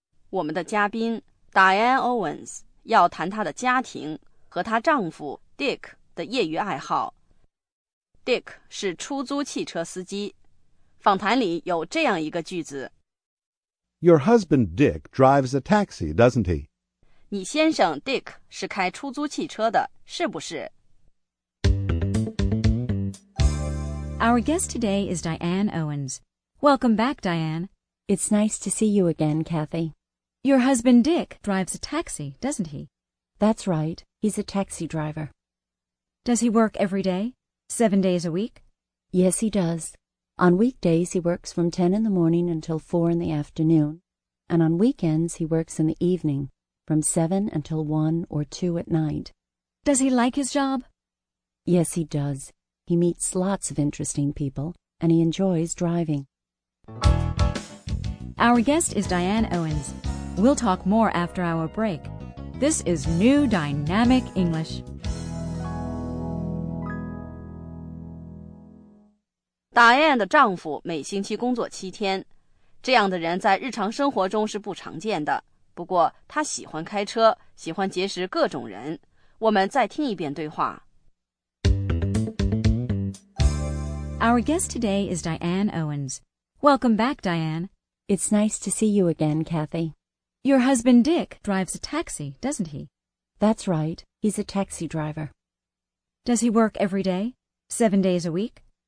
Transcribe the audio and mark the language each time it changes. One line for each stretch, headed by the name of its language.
Chinese: 我们的嘉宾 Diane Owens. 要谈她的家庭和她丈夫 Dick 的业余爱好。 Dick 是出租汽车司机。访谈里有这样一个句子。
English: Your husband Dick drives a taxi, doesn't he?
Chinese: 你先生 Dick 是开出租汽车的，是不是？
English: Our guest today is Diane Owens. Welcome back, Diane. It's nice to see you again, Kathy. Your husband Dick drives a taxi, doesn't he? That's right. He's a taxi driver. Does he work every day? 7 days a week? Yes, he does. On weekdays, he works from 10 in the morning until 4 in the afternoon. And on weekends, he works in the evening, from 7 until 1 or 2 at night. Does he like his job? Yes, he does. He meets lots of interesting people, and he enjoys driving. Our guest is Diane Owens. We'll talk more after our break. This is New Dynamic English.
Chinese: Diane 的丈夫每星期工作七天，这样的人在日常生活中是不常见的。不过他喜欢开车，喜欢结识各种人。我们再听一遍对话。
English: Our guest today is Diane Owens. Welcome back, Diane. It's nice to see you again, Kathy. Your husband Dick drives a taxi, doesn't he? That's right. He's a taxi driver. Does he work every day? 7 days a week?